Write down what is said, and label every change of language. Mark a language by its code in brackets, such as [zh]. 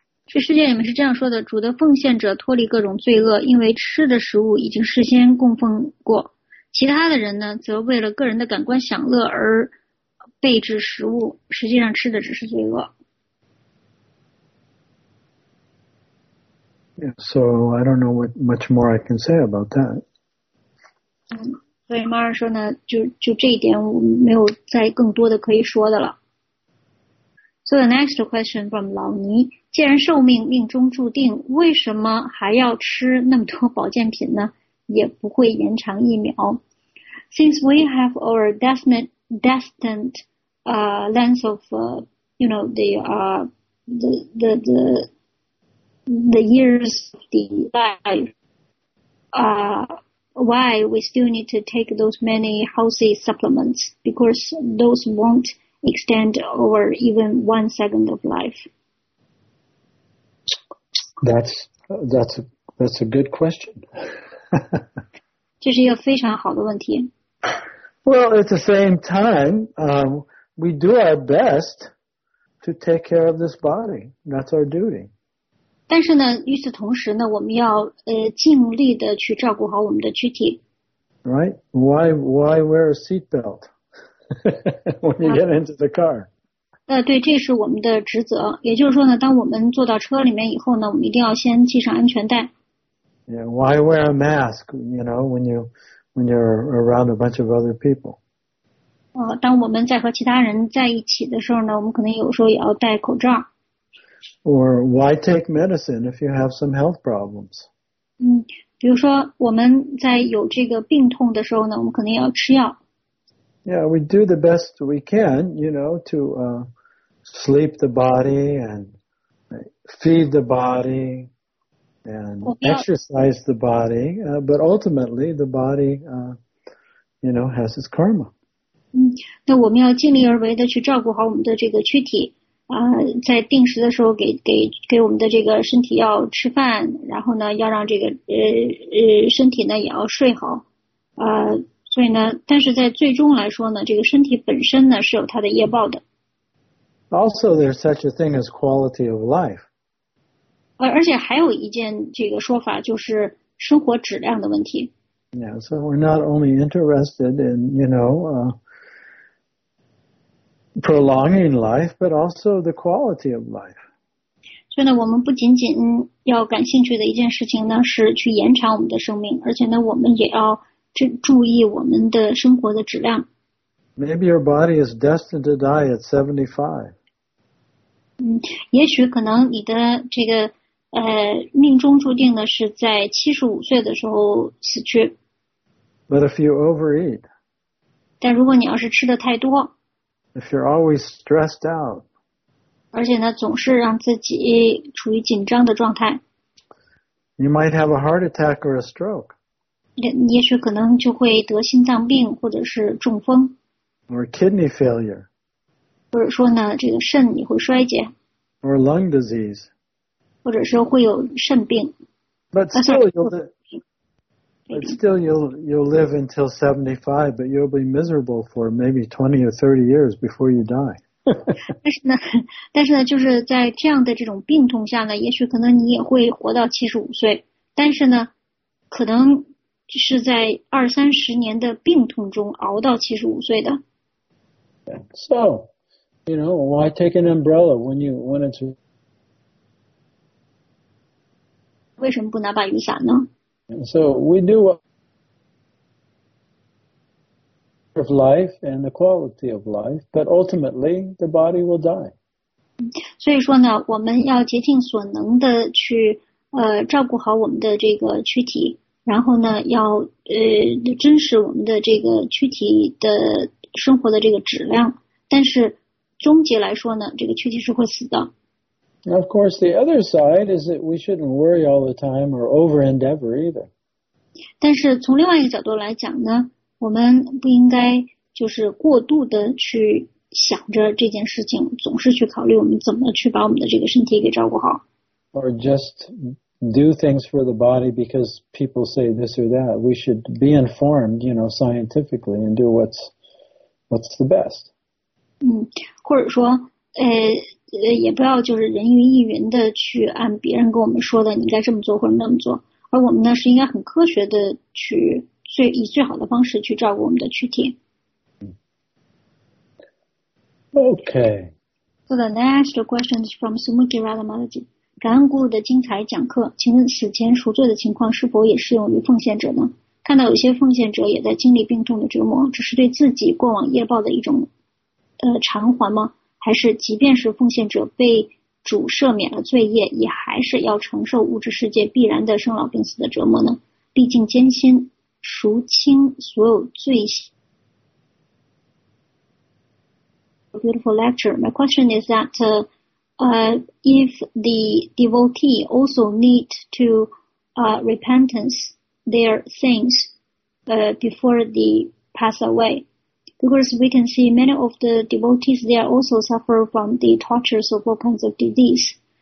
[zh] 这世界里面是这样说的，主的奉献者脱离各种罪恶，因为吃的食物已经事先供奉过。其他的人呢，则为了个人的感官享乐而备置食物，实际上吃的只是罪恶。 [en] Yeah, so I don't know what much more I can say about that. [zh] 所以马尔说呢，就这一点，我没有再更多的可以说的了。 [en] So the next question from [zh] 老尼，既然寿命命中注定，为什么还要吃那么多保健品呢？也不会延长一秒。 [en] Since we have our destined length of the years of the life, why we still need to take those many healthy supplements? Because those won't extend over even 1 second of life. That's a good question. [zh] 这是一个非常好的问题。 [en] Well, at the same time, we do our best to take care of this body. That's our duty. [zh] 但是呢，与此同时呢，我们要尽力的去照顾好我们的躯体。 [en] Right? Why wear a seatbelt when you get into the car? [zh] 对，这是我们的职责。也就是说呢，当我们坐到车里面以后呢，我们一定要先系上安全带。 [en] Yeah, why wear a mask? You know, when you're around a bunch of other people. [zh] 当我们在和其他人在一起的时候呢，我们可能有时候也要戴口罩。 [en] Or why take medicine if you have some health problems? [zh] 比如说我们在有这个病痛的时候呢，我们肯定要吃药。 [en] Yeah, we do the best we can, you know, to sleep the body and feed the body and exercise the body, but ultimately the body, you know, has its karma. [zh] 那我们要尽力而为的去照顾好我们的这个躯体。在定时的时候给我们的这个身体要吃饭，然后呢要让这个身体呢也要睡好，所以呢，但是在最终来说呢，这个身体本身呢是有它的业报的。 [en] Also, there's such a thing as quality of life. [zh] 而且还有一件这个说法就是生活质量的问题。 [en] Yeah, so we're not only interested in, you know, prolonging life, but also the quality of life. [zh] 所以呢，我们不仅仅要感兴趣的一件事情呢，是去延长我们的生命，而且呢，我们也要注意我们的生活的质量。 [en] Maybe your body is destined to die at 75. [zh] 也许可能你的这个命中注定的是在75岁的时候死去。 [en] But if you overeat, [zh] 但如果你要是吃的太多， [en] if you're always stressed out, [zh] 而且呢总是让自己处于紧张的状态， [en] you might have a heart attack or a stroke, [zh] 也许可能就会得心脏病或者是中风， [en] or kidney failure, [zh] 或者说呢这个肾你会衰竭， [en] or lung disease, [zh] 或者说会有肾病。 [en] But still you'll live until 75, but you'll be miserable for maybe 20 or 30 years before you die. [zh] 但是呢就是在这样的这种病痛下呢，也许可能你也会活到75岁，但是呢可能是在二三十年的病痛中熬到75岁的。 [en] So, you know, why take an umbrella when it's... [zh] 为什么不拿把雨伞呢？ [en] So we do of life and the quality of life, but ultimately the body will die. [zh] 所以说呢，我们要竭尽所能的去照顾好我们的这个躯体，然后呢要珍视我们的这个躯体的生活的这个质量，但是终结来说呢，这个躯体是会死的。 [en] Now, of course, the other side is that we shouldn't worry all the time or over-endeavor either. [zh] 但是从另外一个角度来讲呢，我们不应该就是过度的去想着这件事情，总是去考虑我们怎么去把我们的这个身体给照顾好。 [en] Or just do things for the body because people say this or that. We should be informed, you know, scientifically and do what's the best. [zh] 或者说也不要就是人云亦云的去按别人跟我们说的你应该这么做或者那么做，而我们呢是应该很科学的去以最好的方式去照顾我们的躯体。 [en] OK, So the next question is from Sumuki Radhamalaji. [zh] 感恩Guru的精彩讲课，请问死前赎罪的情况是否也适用于奉献者呢？看到有些奉献者也在经历病痛的折磨，这是对自己过往业报的一种偿还吗？还是即便是奉献者被主赦免了罪业，也还是要承受物质世界必然的生老病死的折磨呢？历尽艰辛赎清所有罪行。 [en] Beautiful lecture. My question is that if the devotee also need to repentance their sins before they pass awayBecause we can see many of the devotees, they are also suffer from the tortures of all kinds of disease.